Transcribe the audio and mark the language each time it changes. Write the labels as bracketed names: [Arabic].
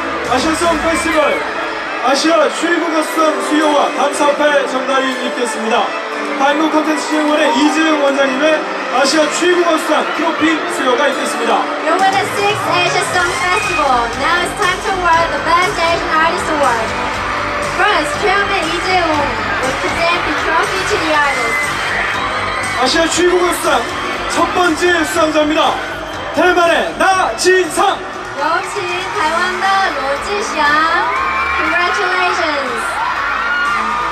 [Korean] 아시아송 페스티벌 아시아 최고 가수상 수여와 감사패 전달이 있겠습니다. 한국 콘텐츠 진흥원의 이재용 원장님의 아시아 최고 가수상 트로피 수여가 있겠습니다. [English] You won the 6th Asia Song Festival. Now it's time to award the Best Asian Artist Award. First, Chairman 이재용 will present the trophy to the artist. [Korean] 아시아 최고 가수상 첫 번째 수상자입니다. 대만의 나진상. 역시 [Chinese] 台湾的 [Korean] 罗志祥 [English] Congratulations.